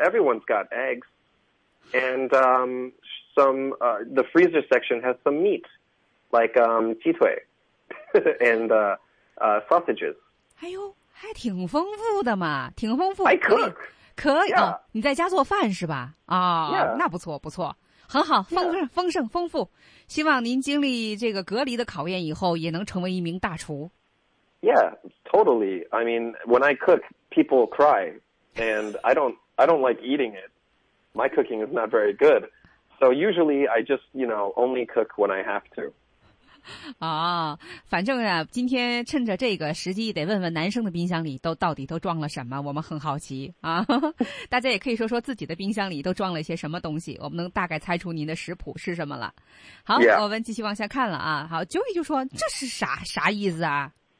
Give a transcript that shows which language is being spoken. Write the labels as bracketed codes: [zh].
[en] Everyone's got eggs， and the freezer section has some meat， like 鸡腿and sausages。 [zh] 哎呦，还挺丰富的嘛，挺丰富。 [en] I cook， [zh] 可以、 [en] yeah。 [zh] 你在家做饭是吧？ [en] yeah。 [zh] 那不错，不错。很好，丰盛、丰盛、丰富。希望您经历这个隔离的考验以后，也能成为一名大厨。 [en] Yeah, totally. I mean, when I cook, people cry, and I don't like eating it. My cooking is not very good, so usually I just, you know, only cook when I have to. [zh] 啊，反正啊，今天趁着这个时机，得问问男生的冰箱里到底都装了什么，我们很好奇啊。大家也可以说说自己的冰箱里都装了一些什么东西，我们能大概猜出您的食谱是什么了。好， [en] yeah。 [zh] 我们继续往下看了啊。好 ，Joey 就说这是啥意思啊？